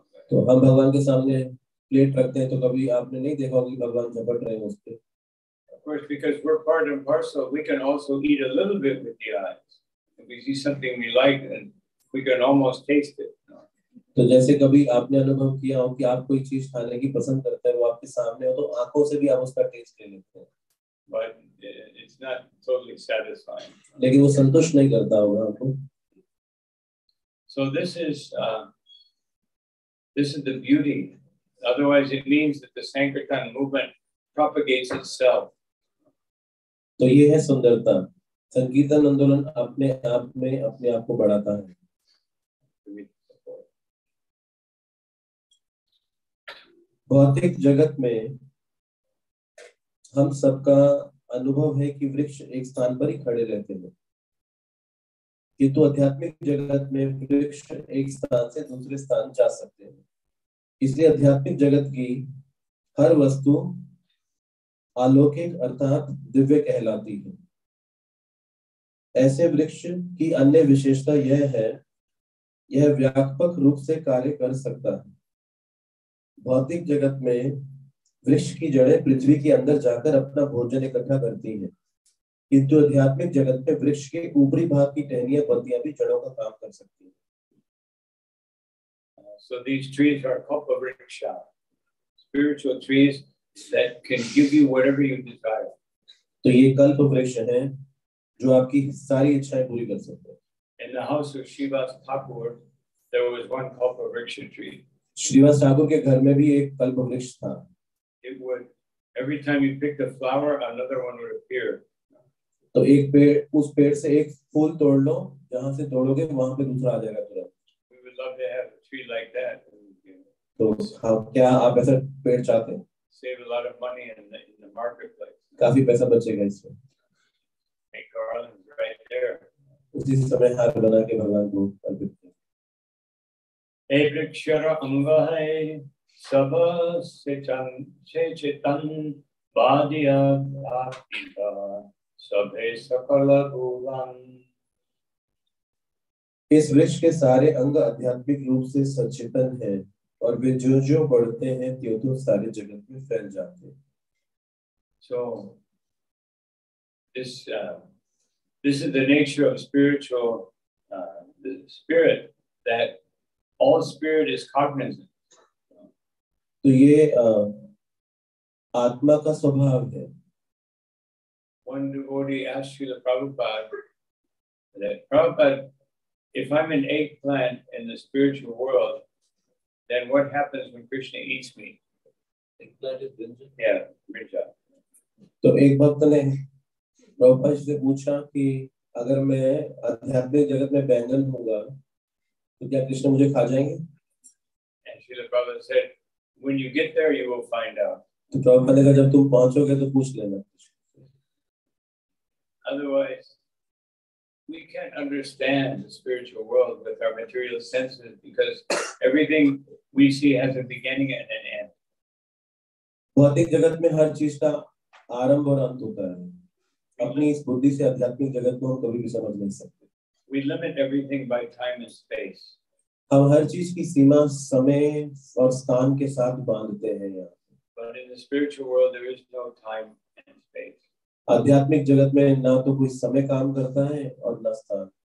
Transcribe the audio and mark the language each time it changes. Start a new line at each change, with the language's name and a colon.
Hindi: तो हम भगवान के सामने प्लेट रखते हैं तो कभी आपने नहीं देखा होगा कि भगवान झपट रहे हैं उसपे।
English: Of course, because we're part and parcel, we can also eat a little bit with the eyes. If we see something we like, then we can almost taste it.
Hindi: तो जैसे कभी आपने अनुभव किया हो कि आप कोई चीज खाने की पसंद करते हैं वो आपके सामने हो तो आंखों से भी आप उसका टेस्ट ले लेते हैं।
English: But it's not totally satisfying.
Hindi: लेकिन वो संतुष्ट नहीं करता होगा आपको।
English: So this is the beauty. Otherwise, it means that the sankirtan movement propagates itself.
Hindi: तो ये है सुंदरता। संकीर्तन आंदोलन अपने आप में अपने आप को बढ़ाता है। भौतिक जगत में हम सबका अनुभव है कि वृक्ष एक स्थान पर ही खड़े रहते हैं किंतु आध्यात्मिक जगत में वृक्ष एक स्थान से दूसरे स्थान जा सकते हैं। इसलिए आध्यात्मिक जगत की हर वस्तु अलौकिक अर्थात दिव्य कहलाती है। ऐसे वृक्ष की अन्य विशेषता यह है यह व्यापक रूप से कार्य कर सकता है। भौतिक जगत में वृक्ष की जड़ें पृथ्वी के अंदर जाकर अपना भोजन इकट्ठा करती हैं, किंतु आध्यात्मिक जगत में वृक्ष के ऊपरी भाग की टहनियां पत्तियां भी जड़ों का काम कर सकती हैं।
English: So these trees are kalpavriksha, spiritual trees that can give you whatever you desire.
Hindi: तो ये कल्प वृक्ष है जो आपकी सारी इच्छाएं पूरी कर सकते हैं।
English: In the house of Shiva's Thakur, there was one kalpavriksha tree.
Hindi: Shrivas Thakur के घर में भी एक कल्प वृक्ष था।
English: It would, every time you picked a flower, another one would appear.
Hindi: तो एक पेड़, उस पेड़ से एक फूल तोड़ लो, जहाँ से तोड़ोगे वहाँ पे दूसरा आ जाएगा तुरंत।
English: We would love to have a tree like that.
Hindi: तो क्या आप ऐसा पेड़ चाहते हैं?
English: Save a lot of money in the marketplace.
Hindi: काफी पैसा बचेगा इससे।
English: A garland right there.
Hindi: उसी समय हार बना के भगवान को अर्पित।
Bangla: हे वृक्ष अंग है सब से चन से चितन बादिया भाकिता सभे सकल भुवन।
Hindi: इस वृक्ष के सारे अंग आध्यात्मिक रूप से सचेतन है और वे जो जो बढ़ते हैं त्यों त्यों सारे जगत में फैल जाते हैं।
English: So this This is the nature of spiritual, the spirit, that all spirit is cognizant.
Hindi: तो ये आत्मा का स्वभाव है.
English: One devotee asked Srila Prabhupada that, Prabhupada, if I'm an eggplant in the spiritual world, then what happens when Krishna eats me? Eggplant is brinja. Yeah, brinja.
Hindi: तो एक भक्त ने प्रभुपाद जी से पूछा कि अगर मैं आध्यात्मिक जगत में बैंगन होगा तो क्या कृष्ण मुझे खा जाएंगे?
English: And Srila Prabhupada said, when you get there, you will find out.
Hindi: तो प्रभुपाद ने कहा जब तुम पहुंचोगे तो पूछ लेना.
English: Otherwise, we can't understand the spiritual world with our material senses because everything we see has a beginning and an end.
Hindi: भौतिक जगत में हर चीज का आरंभ और अंत होता है. अपनी इस बुद्धि से आध्यात्मिक जगत को हम कभी भी समझ नहीं सकते.
English: We limit everything by time and space.
Hindi: हम हर चीज की सीमा समय और स्थान के साथ बांधते हैं यहाँ.
English: But in the spiritual world, there is no time and space.
Hindi: आध्यात्मिक जगत में ना तो कोई समय काम करता है और ना स्थान.